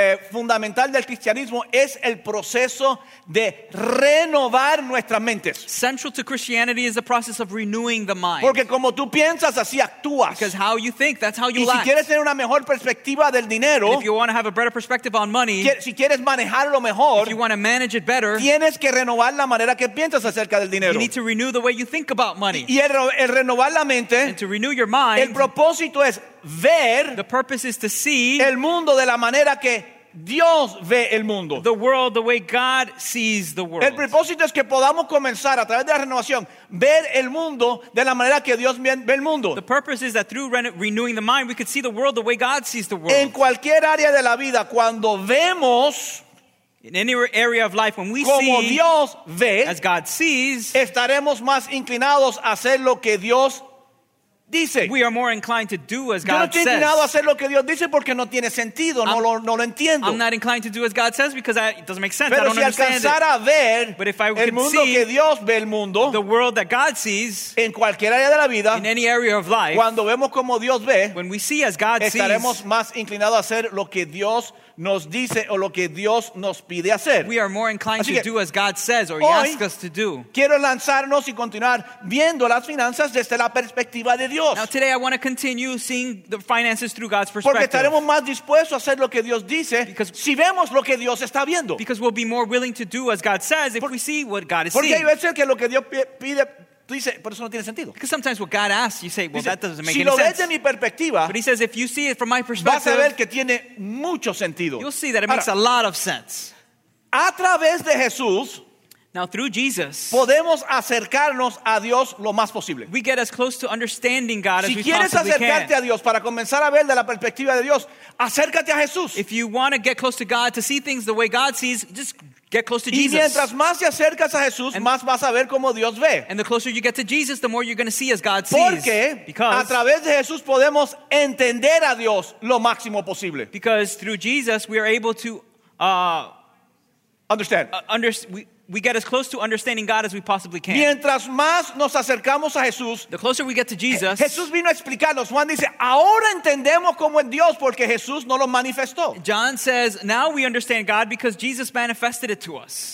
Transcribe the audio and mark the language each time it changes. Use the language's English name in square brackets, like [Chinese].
[Spanish] Fundamental del cristianismo es el proceso de renovar nuestras mentes. [English] Central to Christianity is the process of renewing the mind. [Spanish] Porque como tú piensas, así actúas. [English] Because how you think, that's how you act. [Spanish] Y si quieres tener una mejor perspectiva del dinero, [English] if you want to have a better perspective on money, [Spanish] si quieres manejarlo mejor, [English] if you want to manage it better, [Spanish] tienes que renovar la manera que piensas acerca del dinero. [English] You need to renew the way you think about money. [Spanish] Y el renovar la mente, [English] and to renew your mind, [Spanish] el propósito es ver, [English] the purpose is to see [Spanish] el mundo de la manera que Dios ve el mundo. [English] The world the way God sees the world. [Spanish] El propósito es que podamos comenzar a través de la renovación ver el mundo de la manera que Dios ve el mundo. [English] The purpose is that through renewing the mind we could see the world the way God sees the world. [Spanish] En cualquier área de la vida cuando vemos [English] In any area of life, when we [Spanish] Como [English] see [Spanish] Dios ve, [English] as God sees [Spanish] estaremos más inclinados a hacer lo que Dios Dice, [English] we are more inclined to do as God [Spanish] yo no estoy inclinado a hacer lo que Dios dice porque no tiene sentido, no lo entiendo. [English] I'm not inclined to do as God says because it doesn't make sense. [Spanish] Pero [English] I don't [Spanish] si alcanzara a ver el mundo que Dios ve el mundo, [English] the world that God sees, [Spanish] en cualquier área de la vida, [English] in any area of life, [Spanish] cuando vemos como Dios ve, [English] when we see as God [Spanish] estaremos [English] sees, [Spanish] más inclinados a hacer lo que Dios nos dice o lo que Dios nos pide hacer. [English] We are more inclined [Spanish] Así [English] to do as God says or [Spanish] hoy, [English] he asks us to do. [Spanish] Quiero lanzarnos y continuar viendo las finanzas desde la perspectiva de Dios. [English] Now today I want to continue seeing the finances through God's perspective. [Spanish] Porque estaremos más dispuestos a hacer lo que Dios dice si vemos lo que Dios está viendo. [English] Because we'll be more willing to do as God says if we see what God is [Spanish] porque [English] seeing. [Spanish] Porque hay veces que lo que Dios pide dice, pero eso no tiene sentido. [English] Because sometimes what God asks, you say, well, [Spanish] dice, [English] that doesn't make [Spanish] si [English] any [Spanish] lo [English] sense. [Spanish] Ves de mi perspectiva, [English] but he says, if you see it from my perspective, [Spanish] vas a ver que tiene mucho sentido. [English] You'll see that it makes [Spanish] Ahora, [English] a lot of sense. [Spanish] A través de Jesús, [English] Now, through Jesus, [Spanish] podemos acercarnos a Dios lo más posible. [English] We get as close to understanding God [Spanish] si [English] as we [Spanish] quieres [English] possibly [Spanish] acercarte [English] can. [Spanish] A Dios para comenzar a ver de la perspectiva de Dios, acércate a Jesús. [English] If you want to get close to God to see things the way God sees, just get close to Jesus. [Spanish] Y mientras más te acercas a Jesús, and, más vas a ver como Dios ve. [English] And the closer you get to Jesus, the more you're going to see as God sees. [Spanish] Porque [English] Because [Spanish] a través de Jesús podemos entender a Dios lo máximo posible. [English] Because through Jesus, we are able to understand. Understand. we get as close to understanding God as we possibly can. [Spanish] Mientras más nos acercamos a Jesús, [English] the closer we get to Jesus, [Spanish] Jesús vino a explicarnos. Juan dice, ahora entendemos cómo es Dios porque Jesús nos lo manifestó. [English] John says, now we understand God because Jesus manifested it to us.